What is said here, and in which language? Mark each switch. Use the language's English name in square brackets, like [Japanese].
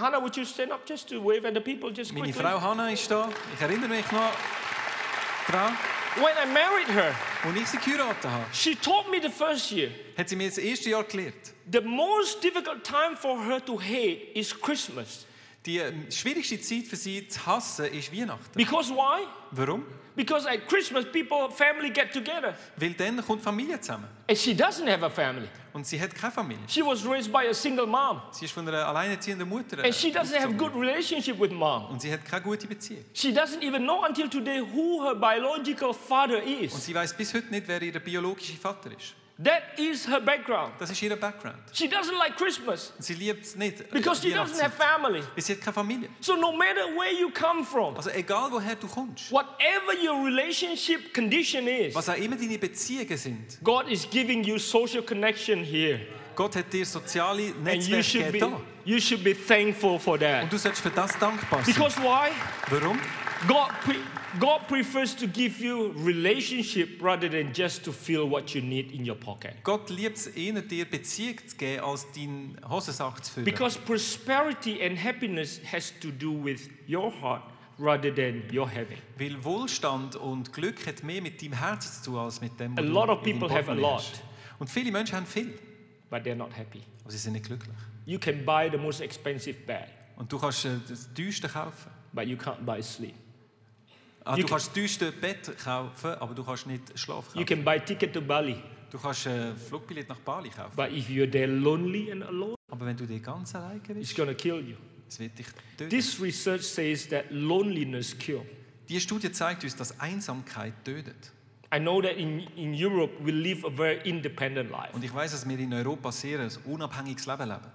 [English] Hannah, would you stand up just to wave at the people just quickly? [German] Meine Frau Hannah ist da. Ich erinnere mich noch dran. [English] When I married her, [German] und ich sie geheiratet habe, [English] she taught me the first year. [German] Hat sie mir das erste Jahr gelehrt. [English] The most difficult time for her to hate is Christmas. [German] Die schwierigste Zeit für sie zu hassen ist Weihnachten. [English] Because why? [German] Warum? [English] Because at Christmas people family get together. [German] Weil dann kommt Familie zusammen. [English] And she doesn't have a family. [German] Und sie hat keine Familie. [English] She was raised by a single mom. [German] Sie ist von einer alleinerziehenden Mutter. [English] And she doesn't have good relationship with mom. [German] Und sie hat keine gute Beziehung. [English] She doesn't even know until today who her biological father is. [German] Und sie weiß bis heute nicht, wer ihr biologischer Vater ist. [English] That is her background. [German] Das ist ihre Background. [English] She doesn't like Christmas. [German] Sie liebt es nicht. [English] Because she doesn't have family. [German] Sie hat keine Familie. [English] So no matter where you come from. [German] Also egal woher du kommst. [English] Whatever your relationship condition is. [German] Was auch immer deine Beziehungen sind. [English] God is giving you social connection here. [German] Gott hat dir soziale Netzwerke gegeben. [English] You should be thankful for that. [German] Und du sollst für das dankbar sein. [English] Because why? [German] Warum? [English] God prefers to give you relationship rather than just to feel what you need in your pocket. [German] Gott liebt es eher, dir Beziehung zu geben, als deine Hosensack zu füllen. [English] Because prosperity and happiness has to do with your heart rather than your heaven. [German] Weil Wohlstand und Glück hat mehr mit deinem Herzen zu tun, als mit dem, was du hast. [English] A lot of people have a lot. [German] Und viele Menschen haben viel. [English] But they're not happy. [German] Aber sie sind nicht glücklich. [English] You can buy the most expensive bag. [German] Und du kannst das teuerste kaufen. [English] But you can't buy sleep. [German] Ah, du kannst das teuerste Bett kaufen, aber du kannst nicht schlafen kaufen. [English] You can buy ticket to Bali. [German] Du kannst Flugbillett nach Bali kaufen. [English] But if you're there lonely and alone, [German] aber wenn du dir ganz alleine bist, [English] it's gonna kill you. [German] Es wird dich töten. [English] This research says that loneliness kills. [German] Die Studie zeigt uns, dass Einsamkeit tötet. [English] I know that in Europe we live a very independent life. [German] Und ich weiß, dass wir in Europa sehr ein unabhängiges Leben leben.